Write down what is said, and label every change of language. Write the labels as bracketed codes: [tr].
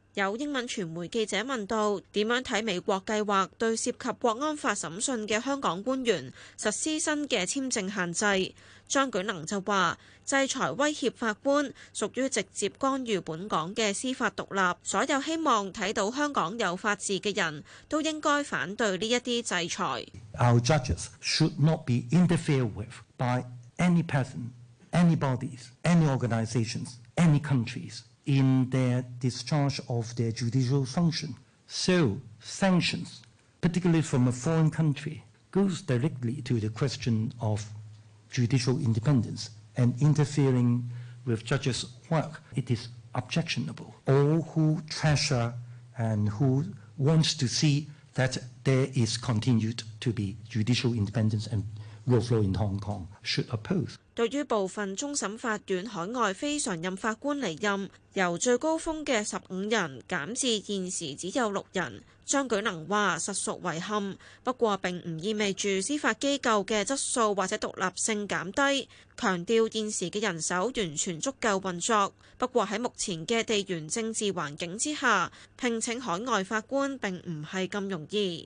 [yue] 有英文傳媒記者問到點樣睇美國計劃對涉及國安法審訊嘅香港官員實施新嘅簽證限制，張舉能就話。制裁威脅法官屬於直接干預本港的司法獨立，所有希望看到香港有法治的人都應該反對這些制裁。 [en] Our judges should not be interfered with by any person, any bodies, any organizations, any countries in their discharge of their judicial function. So sanctions, particularly from a foreign country, goes directly to the question of judicial independence. And interfering with judges' work, it is objectionable. All who treasure and who wants to see that there is continued to be judicial independence and rule of law in Hong Kong should oppose. [yue] 對於部分終審法院海外非常任法官離任，由最高峰的15人減至現時只有6人，張舉能說實屬遺憾，不過並不意味著司法機構的質素或者獨立性減低，強調現時的人手完全足夠運作，不過在目前的地緣政治環境之下，聘請海外法官並不是那麼容易。